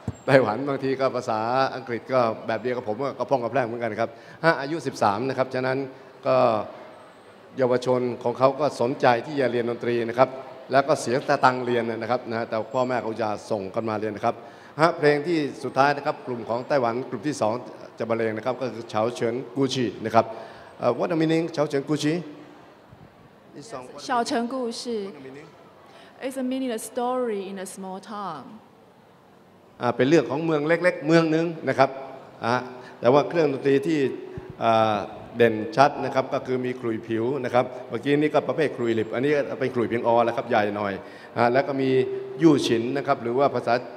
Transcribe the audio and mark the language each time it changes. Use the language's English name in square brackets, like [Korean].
[Thai] ไต้หวันบางทีก็ภาษาอังกฤษก็แบบเดียวกับผมก็พ้องกับแพร่งเหมือนกันครับอายุ13นะครับฉะนั้นก็เยาวชนของเขาก็สนใจที่จะเรียนดนตรีนะครับแล้วก็เสียตังเรียนนะครับนะแต่พ่อแม่เขาจะส่งกันมาเรียนนะครับฮะเพลงที่สุดท้ายนะครับกลุ่มของไต้หวันกลุ่มที่2จะบรรเลงนะครับก็คือเฉาเฉินกูชินะครับ [English] what the meaning [Thai] เฉาเฉินกูชิ [English] is song เฉาเฉินกูชิ is a meaning a story in a small town [Thai] เป็นเรื่องของเมืองเล็กๆเมืองนึงนะครับแต่ว่าเครื่องดนตรีที่เด่นชัดนะครับก็คือมีขลุ่ยผิวนะครับเมื่อกี้นี้ก็ประเภทขลุ่ยลิบอันนี้เป็นขลุ่ยเพียงออแล้วครับใหญ่หน่อยแล้วก็มียู่ฉินนะครับหรือว่าภาษา